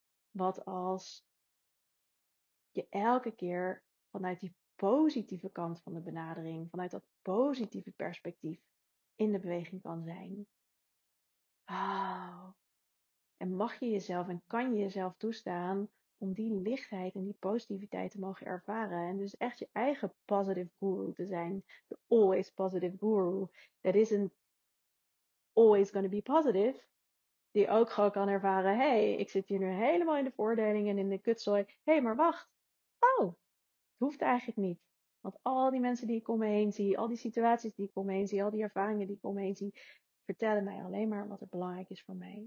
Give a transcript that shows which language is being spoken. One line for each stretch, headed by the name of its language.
Dutch: Wat als je elke keer vanuit die positieve kant van de benadering, vanuit dat positieve perspectief in de beweging kan zijn? Oh. En mag je jezelf en kan je jezelf toestaan om die lichtheid en die positiviteit te mogen ervaren. En dus echt je eigen
English: positive guru
Dutch: te zijn.
English: The always positive guru. That isn't always going to be positive.
Dutch: Die ook gewoon kan ervaren. Hey, ik zit hier nu helemaal in de voordeling en in de kutzooi. Hey, maar wacht. Oh, het hoeft eigenlijk niet. Want al die mensen die ik om me heen zie. Al die situaties die ik om me heen zie. Al die ervaringen die ik om me heen zie. Vertellen mij alleen maar wat het belangrijk is voor mij.